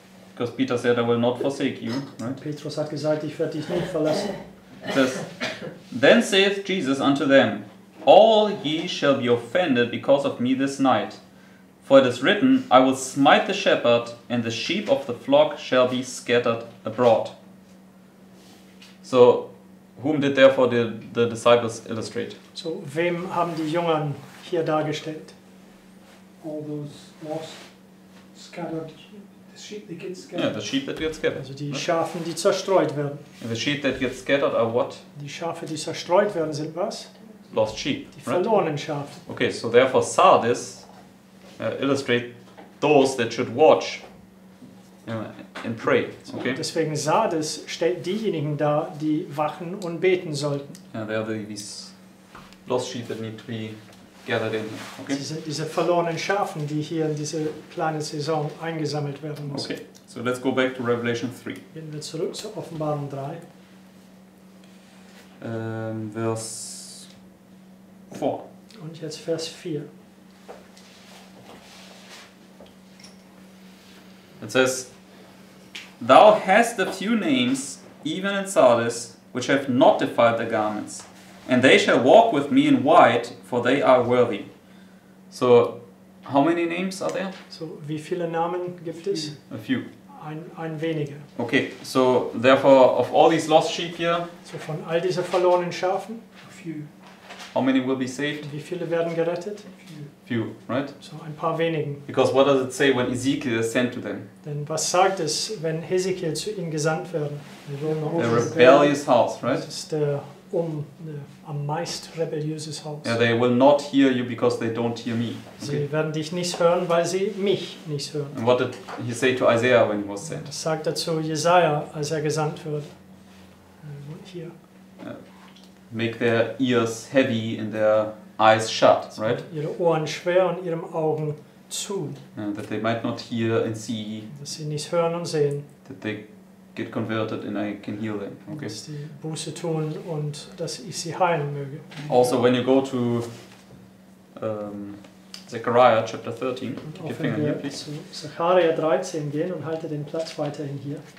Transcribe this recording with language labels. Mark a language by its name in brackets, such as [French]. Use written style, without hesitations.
[English] Because Peter said, I will not forsake you. Right? [German] Petrus hat gesagt, ich werde dich nicht verlassen. [English] It says, then saith Jesus unto them, all ye shall be offended because of me this night. For it is written, I will smite the shepherd, and the sheep of the flock shall be scattered abroad. So, whom did therefore the disciples illustrate? [German] So, wem haben die Jungen hier dargestellt? [English] All those lost, scattered sheep. Yeah, the sheep that get scattered. [German] Also die Schafen, die zerstreut werden. [English] And the sheep that get scattered are what? [German] Die Schafe, die zerstreut werden, sind was? [English] Lost sheep. [German] Die verlorenen right? Schafe. [English] Okay, so therefore Sardis illustrate those that should watch and pray. Okay. [German] Und deswegen Sardis stellt diejenigen dar, die wachen und beten sollten. [English] Yeah, they are these lost sheep that need to be gathered in. Okay. [German] Sie sind diese verlorenen Schafen, die hier in diese kleine Saison eingesammelt werden müssen. [English] Okay, so let's go back to Revelation 3. [German] Gehen wir zurück zu Offenbarung 3. Vers 4. Und jetzt Vers 4. [English] It says, thou hast a few names, even in Sardis, which have not defiled their garments. And they shall walk with me in white, for they are worthy. So, how many names are there? [German] So, wie viele Namen gibt es? [English] A few. [German] Ein wenige. [English] Okay, so therefore, of all these lost sheep here, [German] so von all diese verlorenen Schafen, [English] a few. How many will be saved? [German] Wie viele werden gerettet? [English] Few. Few, right? [German] So, ein paar wenigen. [English] Because what does it say when Ezekiel is sent to them? [German] Denn was sagt es, wenn Hezekiel zu ihnen gesandt werden? [English] The rebellious house, right? [German] Das ist der um am meist rebelliöses Haus. [English] Yeah, they will not hear you because they don't hear me. [German] Sie okay. werden dich nicht hören, weil sie mich nicht hören. [English] And what did he say to Isaiah when he was sent? [German] Das sagt er zu Jesaja, als er gesandt wird. Hier. [English] Make their ears heavy and their eyes shut, right? [German] Ihre Ohren schwer und ihren Augen zu. [English] Yeah, that they might not hear and see. [German] Dass sie nicht hören und sehen. [English] That they get converted and I can heal them. Okay. [German] Dass sie Buße tun und dass ich sie heilen möge. [English] Also, when you go to Zechariah chapter 13, keep your finger here, please. [German] Zechariah 13 gehen und halte den Platz weiterhin hier.